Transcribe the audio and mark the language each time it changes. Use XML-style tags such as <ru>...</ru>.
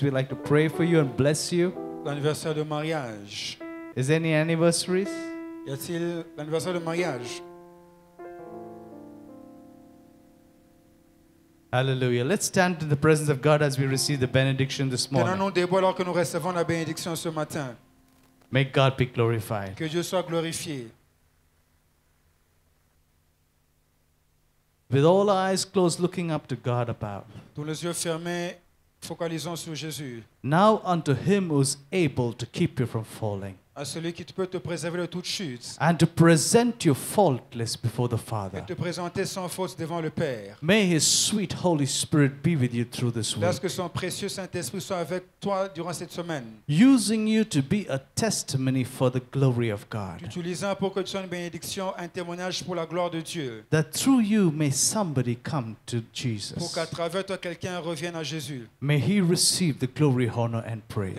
<en>We'd like to pray for you and bless you.</en> <fr>L'anniversaire de mariage.</fr> <en>Is there any anniversaries?</en> <fr>Y a-t-il l'anniversaire de mariage?</fr> <en>Hallelujah. Let's stand in the presence of God as we receive the benediction this morning.</en> <fr>Tenons-nous debout alors que nous recevons la bénédiction ce matin.</fr> <en>May God be glorified.</en> <fr>Que Dieu soit glorifié.</fr> <en>With all eyes closed, looking up to God above.</en> <fr>Tous les yeux fermés, focalisons sur Jésus.</fr> <en>Now unto him who is able to keep you from falling.</en> <fr>À celui qui peut te préserver de toute chute.</fr> <en>And to present you faultless before the Father.</en> <fr>Et te présenter sans faute devant le Père.</fr> <en>May his sweet Holy Spirit be with you through this week.</en> <fr>Lorsque son précieux Saint-Esprit soit avec toi durant cette semaine.</fr> <en>Using you to be a testimony for the glory of God.</en> <fr>Utilisant pour que tu sois une bénédiction, un témoignage pour la gloire de Dieu.</fr> <en>That through you may somebody come to Jesus.</en> <fr>Pour qu'à travers toi quelqu'un revienne à Jésus.</fr> <en>May he receive the glory, honor and praise.</en>